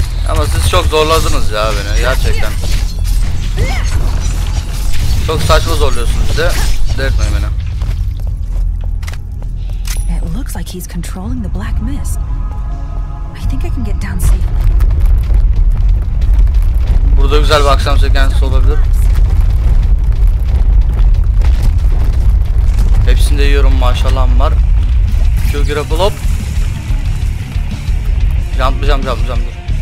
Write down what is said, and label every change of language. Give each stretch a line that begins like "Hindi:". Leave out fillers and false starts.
Turkish: Ama siz çok zorladınız ya beni gerçekten. Çok saçma zorluyorsunuz de. Dertmeyin beni.
English: It looks like he's controlling the black mist. I think I can get down safely.
Turkish: Burada güzel bir akşam sekansı olabilir. Hepsinde yiyorum maşallah var. Q grapple hop. Jumplayacağım, jumplayacağım, dur.